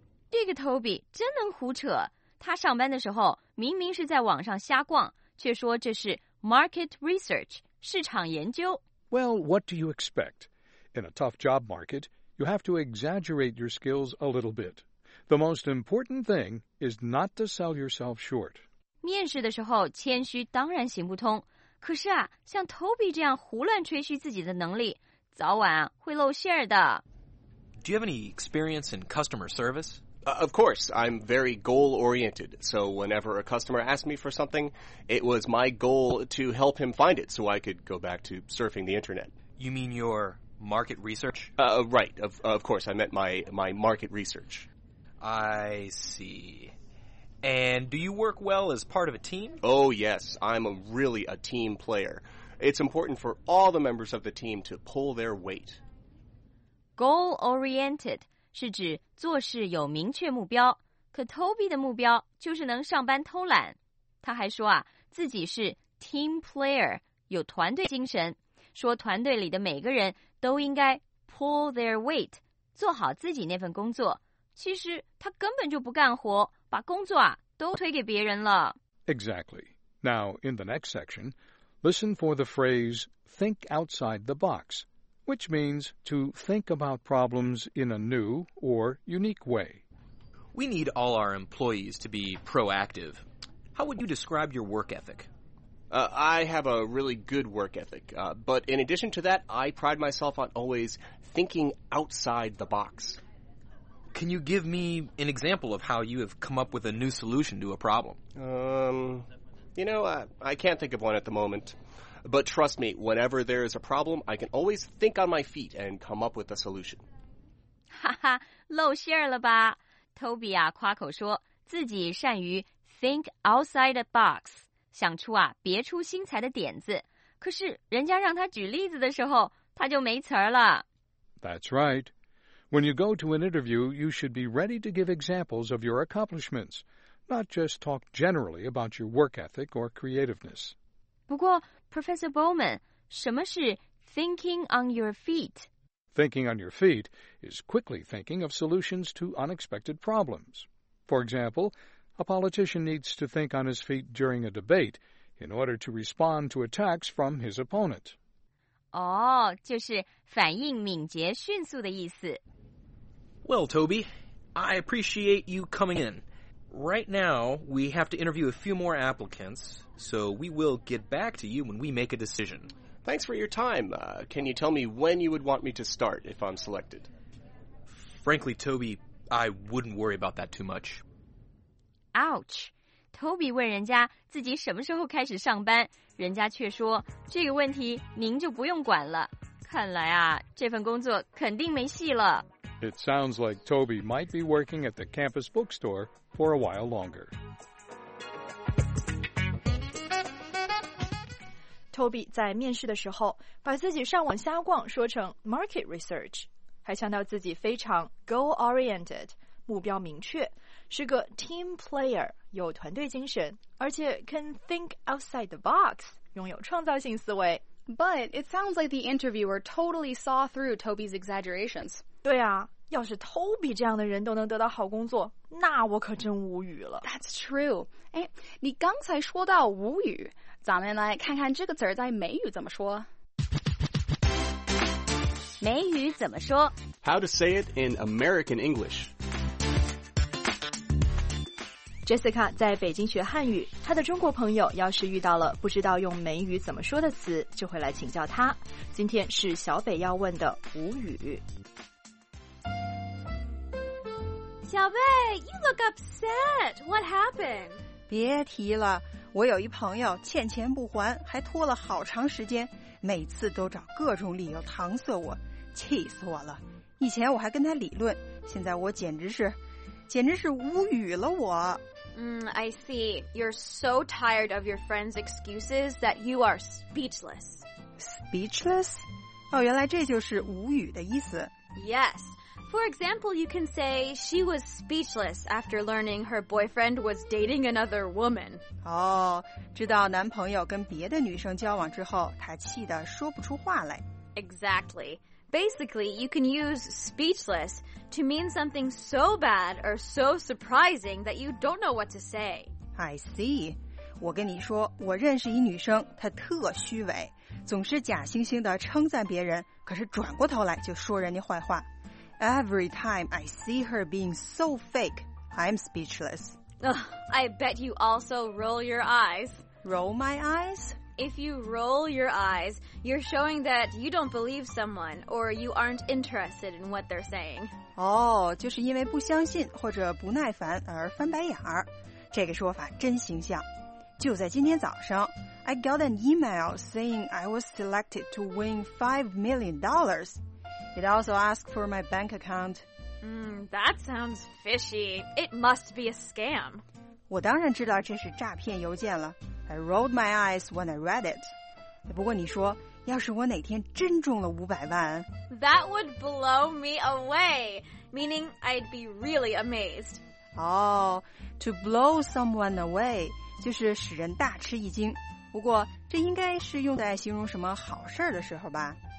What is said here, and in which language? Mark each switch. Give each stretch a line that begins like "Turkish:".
Chinese: 这个 Toby 真能胡扯。他上班的时候明明是在网上瞎逛，却说这是 market research, 市场研究。
English: Well, what do you expect? In a tough job market... You have to exaggerate your skills a little bit. The most important thing is not to sell yourself short.
Chinese: 面试的时候谦虚当然行不通，可是啊，像 Toby 这样胡乱吹嘘自己的能力，早晚会露馅儿的。
English: Do you have any experience in customer service? Of course, I'm very goal-oriented, so whenever a customer asked me for something, it was my goal to help him find it so I could go back to surfing the internet. You mean your... Market research? Right. Of course, I meant my market research. I see. And do you work well as part of a team? Oh, yes. I'm really a team player. It's important for all the members of the team to pull their weight.
Chinese: Goal-oriented 是指做事有明确目标，可 Toby 的目标就是能上班偷懒。他还说啊，自己是 team player, 有团队精神。说团队里的每个人都应该
English: pull their weight,
Chinese: 做好自己那份工作。其实他根本就不干活，把工作啊都推给别人了。
English: Exactly. Now, in the next section, listen for the phrase, think outside the box, which means to think about problems in a new or unique way. We need all our employees to be proactive. How would you describe your work ethic? I have a really good work ethic, but in addition to that, I pride myself on always thinking outside the box. Can you give me an example of how you have come up with a new solution to a problem? I can't think of one at the moment. But trust me, whenever there is a problem, I can always think on my feet and come up with a solution.
Chinese: 哈哈，露馅了吧。Toby 啊，夸口说自己善于
English: think outside the box,
Chinese: 想出啊别出心裁的点子。可是人家让他举例子的时候，他就没词儿了。
English: That's right. When you go to an interview, you should be ready to give examples of your accomplishments, not just talk generally about your work ethic or creativeness.
Chinese: 不过 Professor Bowman, 什么是
English: thinking on your feet? Thinking on your feet is quickly thinking of solutions to unexpected problems. For example, a politician needs to think on his feet during a debate in order to respond to attacks from his opponent.
Chinese: Oh, 就是反应敏捷迅速的意思。
English: Well, Toby, I appreciate you coming in. Right now, we have to interview a few more applicants, so we will get back to you when we make a decision. Thanks for your time. Can you tell me when you would want me to start if I'm selected? Frankly, Toby, I wouldn't worry about that too much. Ouch!
Chinese: Toby 问人家自己什么时候开始上班，人家却说这个问题您就不用管了。看来啊，这份工作肯定没戏了。
English: It sounds like Toby might be working at the campus bookstore for a while longer.
Chinese: Toby 在面试的时候把自己上网瞎逛说成 market research, 还强调自己非常 goal-oriented, 目标明确，是个 team player, 有团队精神，而且
English: can think outside the box,
Chinese: 拥有创造性思维。
English: But it sounds like the interviewer totally saw through Toby's exaggerations.
Chinese: 对啊，要是 Toby 这样的人都能得到好工作，那我可真无语了。
English: That's true.
Chinese: 哎，你刚才说到无语。咱们来看看这个词儿在美语怎么说。美语怎么说
English: ？How to say it in American English?
Chinese: Jessica 在北京学汉语，她的中国朋友要是遇到了不知道用美语怎么说的词，就会来请教她。今天是小北要问的无语。
English: 小北 ，You look upset. What happened?
Chinese: 别提了。我有一朋友欠钱不还，还拖了好长时间，每次都找各种理由搪塞我，气死我了。以前我还跟他理论，现在我简直是无语了我。
English: I see. You're so tired of your friend's excuses that you are speechless. Speechless?
Chinese: 哦，原来这就是无语的意思。
English: Yes. For example, you can say she was speechless after learning her boyfriend was dating another woman.
Chinese: Oh, 知道男朋友跟别的女生交往之后，她气得说不出话来。
English: Exactly. Basically, you can use speechless to mean something so bad or so surprising that you don't know what to say. I see.
Chinese: 我跟你说，我认识一女生，她特虚伪，总是假惺惺地称赞别人，可是转过头来就说人家坏话。
English: Every time I see her being so fake, I'm speechless. Ugh, I bet you also roll your eyes. Roll my eyes? If you roll your eyes, you're showing that you don't believe someone or you aren't interested in what they're saying.
Chinese: Oh, 就是因为不相信或者不耐烦而翻白眼儿。这个说法真形象。就在今天早上
English: ,I got an email saying I was selected to win $5 million. It also asked for my bank account. That sounds fishy. It must be a scam.
Chinese: 我当然知道这是诈骗邮件了。
English: I rolled my eyes when I read it.
Chinese: 不过你说，要是我哪天真中了500万
English: ？That would blow me away. Meaning I'd be really amazed. Oh, to blow someone away
Chinese: 就是使人大吃一惊。不过这应该是用在形容什么好事的时候吧